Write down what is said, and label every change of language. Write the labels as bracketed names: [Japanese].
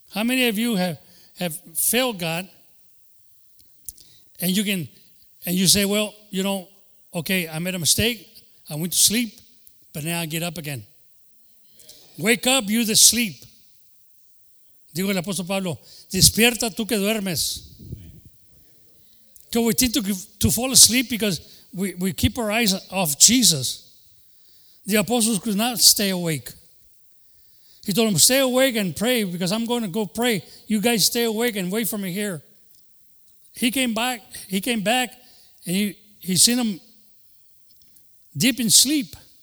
[English] How many of you have failed God, and you say, well, you know, okay, I made a mistake, I went to sleep, but now I get up again. Wake up, you that sleep. [Spanish] Digo el apóstol Pablo, despierta tú que duermes. [English] Because we tend to fall asleep because we keep our eyes off Jesus. The apostles could not stay awake. He told them, stay awake and pray because I'm going to go pray. You guys stay awake and wait for me here. He came back and he seen them deep in sleep.